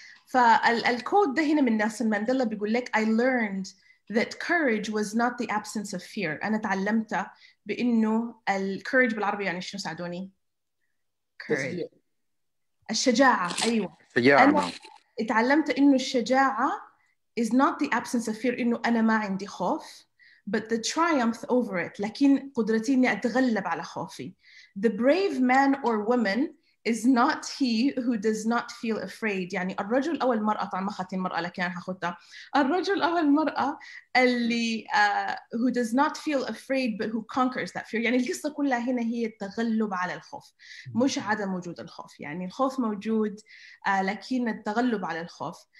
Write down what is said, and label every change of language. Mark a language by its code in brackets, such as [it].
[ar] فالكود ده هنا من نيلسون مانديلا بيقول لك [en] I learned that courage was not the absence of fear. [ar] أنا تعلمت بأنه الكوريج بالعربي يعني شنو ساعدوني؟ [en] Courage. [ar] الشجاعة, أيوة. أنا تعلمت إنه الشجاعة [en] is not the absence of fear, [ar] إنه أنا ما عندي خوف, [en] but the triumph over it, [ar] لكن قدرتي إني أتغلب على خوفي. [en] The brave man or woman is not he who does not feel afraid. [ar] يعني الرجل أو المرأة, طبعا ما خدت المرأة لكن هاخدها, الرجل أو المرأة اللي [en] who does not feel afraid but who conquers that fear. [ar] يعني القصة كلها هنا هي التغلب على الخوف, مش عدم وجود الخوف. يعني الخوف موجود لكن التغلب على الخوف.